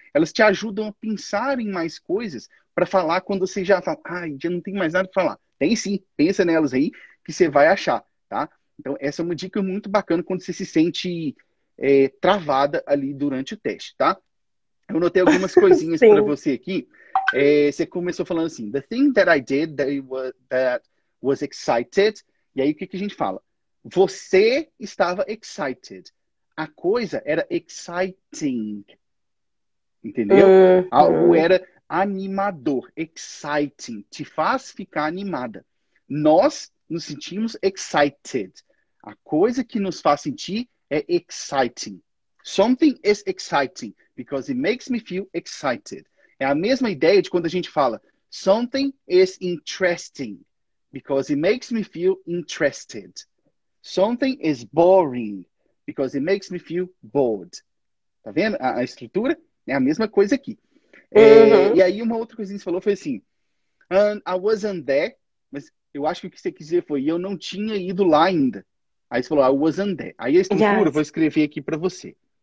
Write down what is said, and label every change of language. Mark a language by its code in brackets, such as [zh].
[pt] Elas te ajudam a pensar em mais coisas para falar quando você já fala, ai, já não tem mais nada para falar. Tem sim, pensa nelas aí que você vai achar, tá? Então, essa é uma dica muito bacana quando você se sente travada ali durante o teste, tá? Eu notei algumas coisinhas para você aqui. Você começou falando assim, [en] the thing that I did that was excited. [pt] E aí, o que, que a gente fala? Você estava excited. A coisa era exciting. Entendeu? Algo era animador. Exciting. Te faz ficar animada. Nós nos sentimos excited. A coisa que nos faz sentir é exciting. [en] Something is exciting because it makes me feel excited. [pt] É a mesma ideia de quando a gente fala [en] something is interesting because it makes me feel interested. Something is boring because it makes me feel bored. [pt] Tá vendo? A estrutura é a mesma coisa aqui. E aí uma outra coisinha que você falou foi assim. [en] And I wasn't there. [pt] Mas eu acho que o que você quis dizer foi eu não tinha ido lá ainda. Aí você falou [en] I wasn't there. [pt] Aí a estrutura, eu vou escrever aqui pra você.